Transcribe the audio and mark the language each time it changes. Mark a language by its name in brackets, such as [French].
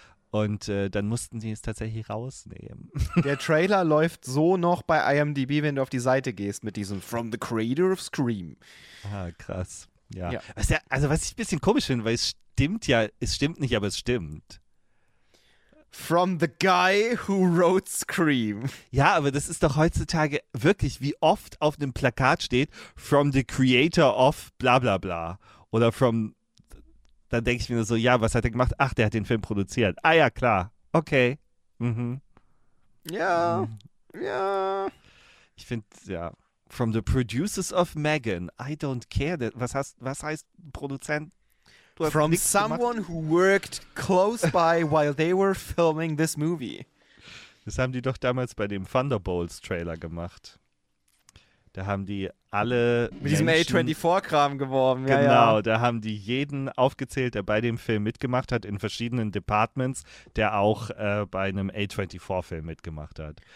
[German] Und dann mussten sie es tatsächlich rausnehmen. Der Trailer läuft so noch bei IMDb, wenn du auf die Seite gehst mit diesem [English] from the creator of Scream. [German] Ah, krass. Ja. Was ich ein bisschen komisch finde, weil es stimmt nicht. [English] From the guy who wrote Scream. [German] Ja, aber das ist doch heutzutage wirklich, wie oft auf einem Plakat steht, [English] from the creator of bla bla [German] bla. Oder from, dann denke ich mir so, ja, was hat er gemacht? Ach, der hat den Film produziert. Ah ja, klar. Okay. Ja. Ich finde, ja. [English] From the producers of Megan. I don't care. [German] Was heißt Produzent? [English] From someone who worked close by while they were filming this movie. [German] Das haben die doch damals bei dem Thunderbolts-Trailer gemacht. Da haben die alle mit diesem A24-Kram geworben. Genau, ja. Da haben die jeden aufgezählt, der bei dem Film mitgemacht hat, in verschiedenen Departments, der auch bei einem A24-Film mitgemacht hat.